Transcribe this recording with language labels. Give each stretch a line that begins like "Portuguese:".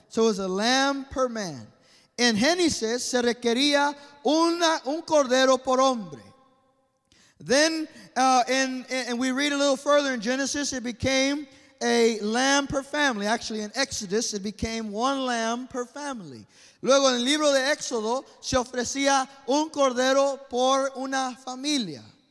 English: So it was a lamb per man.
Spanish: In Genesis, se requería un cordero por hombre.
English: Then, and we read a little further in Genesis, it became a lamb per family. Actually, in Exodus, it became one lamb per family.
Spanish: Luego, en el libro de Éxodo, se ofrecía un cordero por una familia.